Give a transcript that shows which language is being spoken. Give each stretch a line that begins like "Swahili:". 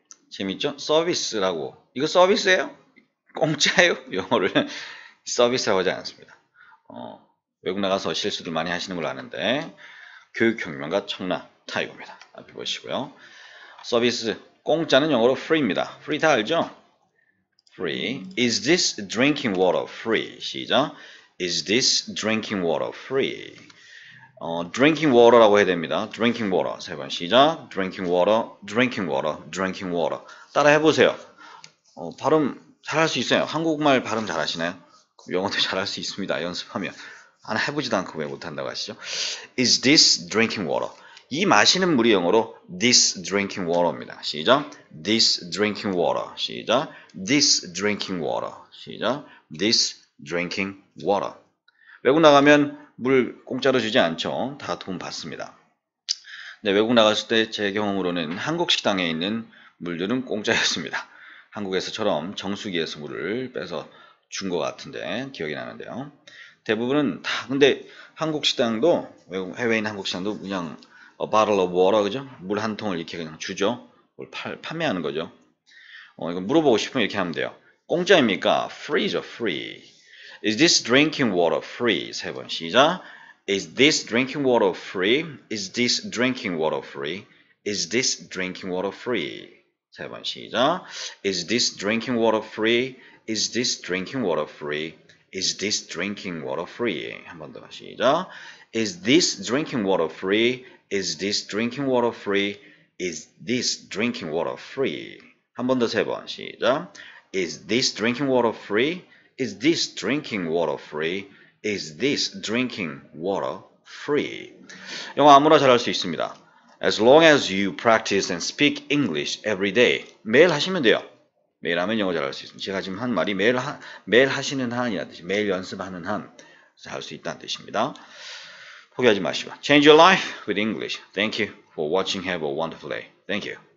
Korean: 재밌죠? 서비스라고. 이거 서비스예요? 공짜예요? 영어를 서비스라고 하지 않습니다. 외국 나가서 실수들 많이 하시는 걸 아는데 교육 혁명가 청라 타이거입니다. 앞에 보시고요. 서비스 공짜는 영어로 free입니다. free 다 알죠? free.
English: Is this drinking water free?
Korean: 시작.
English: Is this drinking water free?
Korean: Drinking water라고 해야 됩니다. Drinking water. 세 번, 시작.
English: Drinking water, drinking water, drinking water.
Korean: 따라 해보세요. 발음 잘할 수 있어요. 한국말 발음 잘 하시나요? 영어도 잘할 수 있습니다. 연습하면. 하나 해보지도 않고 왜 못한다고 하시죠?
English: Is this drinking water?
Korean: 이 마시는 물이 영어로 this drinking water입니다.
English: 시작. This drinking water. 시작. This drinking water. 시작. This drinking water.
Korean: 외국 나가면 물 공짜로 주지 않죠. 다 돈 받습니다. 네, 외국 나갔을 때 제 경험으로는 한국 식당에 있는 물들은 공짜였습니다. 한국에서처럼 정수기에서 물을 빼서 준 것 같은데 기억이 나는데요. 대부분은 다, 근데 한국 식당도, 외국, 해외에 있는 한국 식당도 그냥
English: a bottle of water,
Korean: 그죠? 물 한 통을 이렇게 그냥 주죠. 뭘 판매하는 거죠. 이거 물어보고 싶으면 이렇게 하면 돼요. 공짜입니까? free죠, free.
English: Is this drinking water free?
Korean: 세 번, 시작.
English: Is this drinking water free? Is this drinking water free? Is this drinking water free?
Korean: 세 번, 시작.
English: Is this drinking water free? Is this drinking water free? Is this drinking water free?
Korean: 한 번 더, 시작.
English: Is this drinking water free? Is this drinking water free? Is this drinking water free?
Korean: 한 번 더, 세 번, 시작.
English: Is this drinking water free? Is this drinking water free? Is this drinking water free?
Korean: 영어 아무나 잘할 수 있습니다.
English: As long as you practice and speak English every day.
Korean: 매일 하시면 돼요. 매일 하면 영어 잘할 수 있습니다. 제가 지금 한 말이 매일 하시는 한이라는 뜻이, 매일 연습하는 한, 할 수 있다는 뜻입니다. 포기하지 마시고.
English: Change your life with English. Thank you for watching. Have a wonderful day. Thank you.